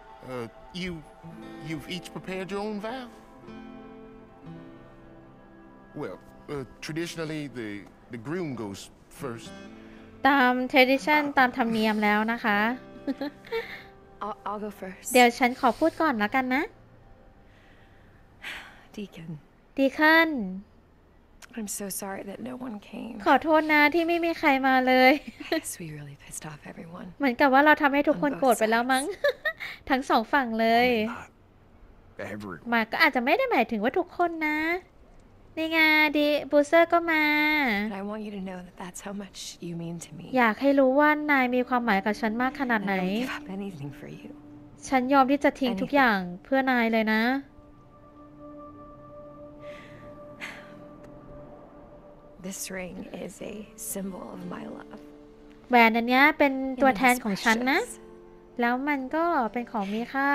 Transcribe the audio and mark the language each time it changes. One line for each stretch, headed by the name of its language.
English: you've each prepared your own vow. Well, traditionally the groom goes first.
Thai: ตาม tradition ตามธรรมเนียมแล้วนะคะ
English: I'll go first.
Thai: เดี๋ยวฉันขอพูดก่อนแล้วกันนะ
English: Deacon. I'm so sorry that no one came.
Thai: ขอโทษนะที่ไม่มีใครมาเลย
English: We really pissed off everyone.
Thai: เหมือนกับว่าเราทำให้ทุกคนโกรธไปแล้วมั้ง ทั้งสองฝั่งเลย มาก็อาจจะไม่ได้หมายถึงว่าทุกคนนะนี่ไงดีบูเซอร์ก็มา
English: I want you to know that that's how much you mean to me.
Thai: อยากให้รู้ว่านายมีความหมายกับฉันมากขนาดไหน
English: I'll give up anything for you.
Thai: ฉันยอมที่จะทิ้งทุกอย่างเพื่อนายเลยนะ
English: This ring is a symbol of my love.
Thai: แหวนอันนี้เป็นตัวแทนของฉันนะแล้วมันก็เป็นของมีค่า